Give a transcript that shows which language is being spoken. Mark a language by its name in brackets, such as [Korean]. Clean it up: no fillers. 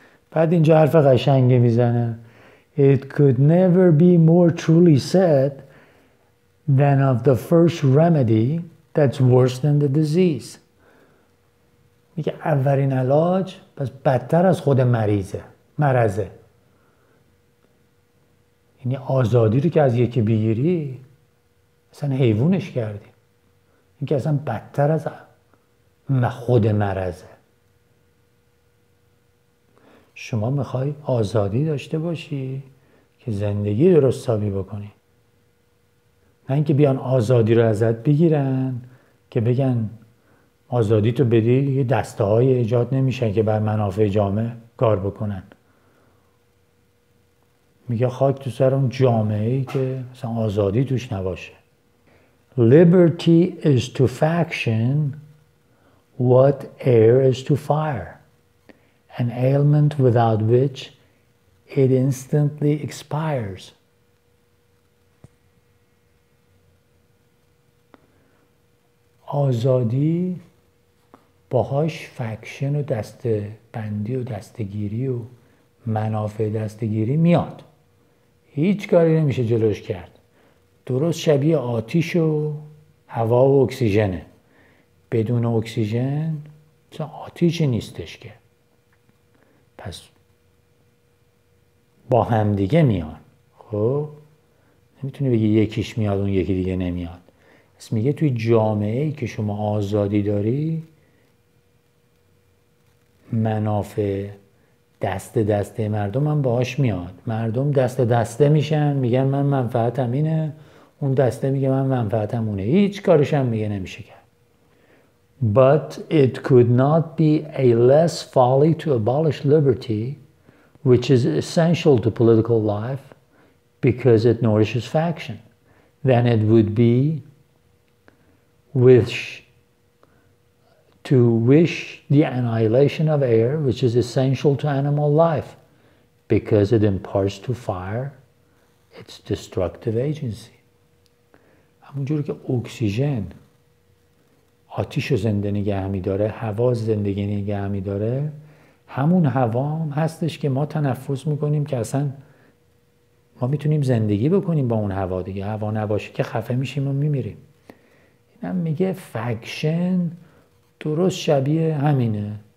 [Persian] بعد اینجا حرف قشنگی میزنه. [English] It could never be more truly said than of the first remedy that's worse than the disease. [Persian] میگه اولین علاج بس بدتر از خود مرضه. یعنی آزادی رو که از یکی بگیری اصلا حیوانش کردی. این که اصلا بدتر از خود مرضه. شما میخوای آزادی داشته باشی که زندگی درست حسابی بکنی، نه اینکه بیان آزادی رو ازت بگیرن که بگن آزادی تو بدی یه دسته های ایجاد نمیشن که بر منافع جامعه کار بکنن. میگه خاک تو سر اون جامعه‌ای که مثلا آزادی توش نباشه. [English] Liberty is to faction what air is to fire, an ailment without which it instantly expires. [Persian] آزادی باهاش فکشن و دسته بندی و دسته گیری و منافع دسته گیری میاد، هیچ کاری نمیشه جلوش کرد. درست شبیه آتیش و هوا و اکسیژنه. بدون اکسیژن مثلا آتیش نیستش که. پس با هم دیگه میان. خب نمیتونی بگی یکیش میاد اون یکی دیگه نمیاد. پس میگه توی جامعه ای که شما آزادی داری منافع دست دسته مردم هم باهاش میاد. مردم دست دسته میشن، میگن من منفعتم اینه، اون دسته میگه من منفعتم اونه، هیچ کارش هم میگه نمیشه کرد. [English] But it could not be a less folly to abolish liberty, which is essential to political life, because it nourishes faction, than it would be to wish the annihilation of air, which is essential to animal life, because it imparts to fire its destructive agency. [Persian] همونجور که اکسیژن آتیش رو زنده نگه می‌داره، هوا زندگی نگه می‌داره، همون هوا هم هستش که ما تنفس می‌کنیم که اصلا ما می‌تونیم زندگی بکنیم با اون هوا دیگه. هوا نباشه که خفه میشیم و می‌میریم. اینم میگه فکشن درست شبیه همینه.